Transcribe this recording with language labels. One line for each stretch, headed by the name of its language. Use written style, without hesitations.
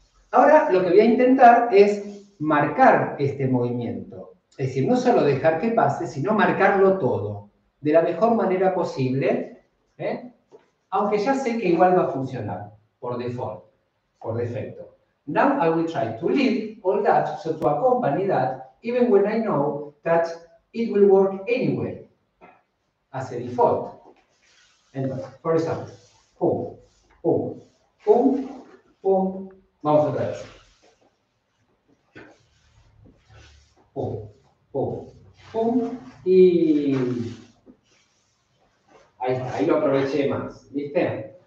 Spanish: Ahora lo que voy a intentar es marcar este movimiento, es decir, no solo dejar que pase, sino marcarlo todo de la mejor manera posible, ¿eh? Aunque ya sé que igual va a funcionar por default, por defecto.
English: Now I will try to lead all that, so to accompany that, even when I know that it will work anyway, as a default.
Spanish: Entonces, por ejemplo, pum, pum, pum, pum, vamos otra vez. Pum, pum, pum, y ahí está, ahí lo aproveché más, ¿viste?